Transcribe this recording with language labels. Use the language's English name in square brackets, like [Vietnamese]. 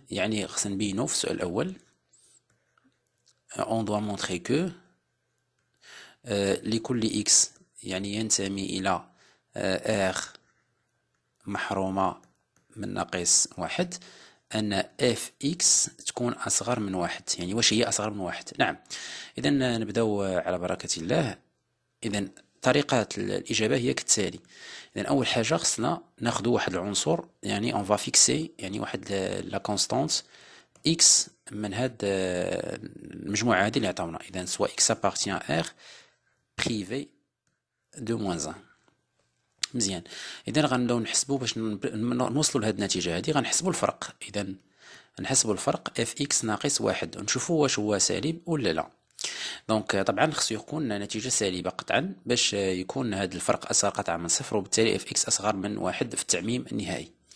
[Arabic] يعني خصنا نبينو في السؤال الأول [French] on doit montrer que [Arabic] لكل x يعني ينتمي إلى r محرومة من ناقص واحد أن fx تكون أصغر من واحد، يعني واش هي أصغر من واحد؟ نعم، إذا نبدأ على بركة الله. إذا طريقات الإجابة هي كالتالي. إذا أول حاجة خصنا ناخذ واحد العنصر، يعني [French] on va fixer [Arabic] يعني واحد لا كونستانت x من هاد المجموعة هذه اللي عطاونا. إذا سواء [French] x appartient à r privé de moins 1. [Arabic] مزيان، اذا غنبداو نحسبوا باش نوصلوا لهذه النتيجه هذه. غنحسبوا الفرق، اذا نحسبوا الفرق اف اكس ناقص 1 ونشوفوا واش هو سالب ولا لا. دونك طبعا خصو يكون نتيجه سالبه قطعا باش يكون هذا الفرق اصغر قطعا من صفر، وبالتالي اف اكس اصغر من 1 في التعميم النهائي.